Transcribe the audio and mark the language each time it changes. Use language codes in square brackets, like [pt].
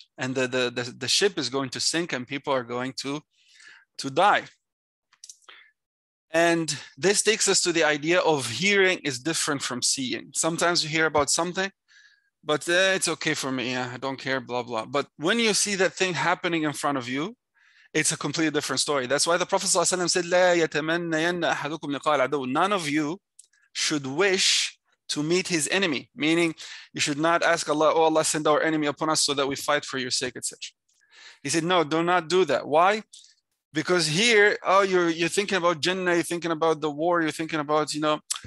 [en] And the ship is going to sink and people are going to die. And this takes us to the idea of hearing is different from seeing. Sometimes you hear about something, but it's okay for me. Yeah, I don't care, blah, blah. But when you see that thing happening in front of you, it's a completely different story. That's why the Prophet ﷺ said, [ar] لَا يَتَمَنَّ يَنَّ أَحَدُكُمْ لِقَاءَ الْعَدُوِّ. [en] None of you should wish to meet his enemy. Meaning, you should not ask Allah, oh Allah, send our enemy upon us so that we fight for your sake, etc. He said, no, do not do that. Why? Because here, oh, you're thinking about Jannah, you're thinking about the war, you're thinking about, you know.